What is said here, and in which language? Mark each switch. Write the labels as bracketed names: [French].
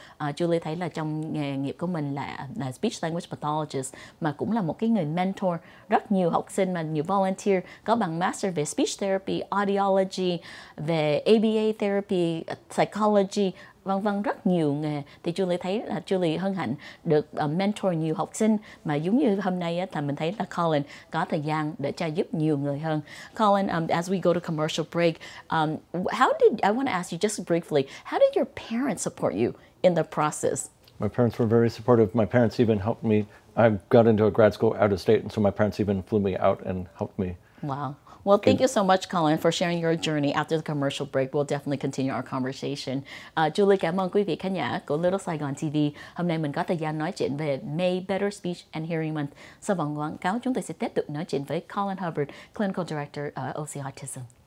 [Vietnamese] Julie thấy là trong nghề nghiệp của mình là speech language pathologist, mà cũng là một cái người mentor rất nhiều học sinh, mà nhiều volunteer có bằng master về speech therapy, audiology, về ABA therapy, psychology, vân vân, rất nhiều nghề. Thì Julie thấy là Julie hân hạnh được mentor nhiều học sinh, mà giống như hôm nay thì mình thấy là Collin có thời gian để cho giúp nhiều người hơn. [English] Collin, as we go to commercial break, I want to ask you just briefly, how did your parents support you in the process? My parents were very supportive. My parents even helped me. I got into a grad school out of state, and so my parents even flew me out and helped me. Wow. Well, thank you so much, Collin, for sharing your journey. After the commercial break, we'll definitely continue our conversation. [Vietnamese] Julie, cảm ơn quý vị khán giả của Little Saigon TV. Hôm nay mình có thời gian nói chuyện về May Better Speech and Hearing Month. Sau vòng quảng cáo, chúng tôi sẽ tiếp tục nói chuyện với Collin Hubbard, Clinical Director ở OC Autism.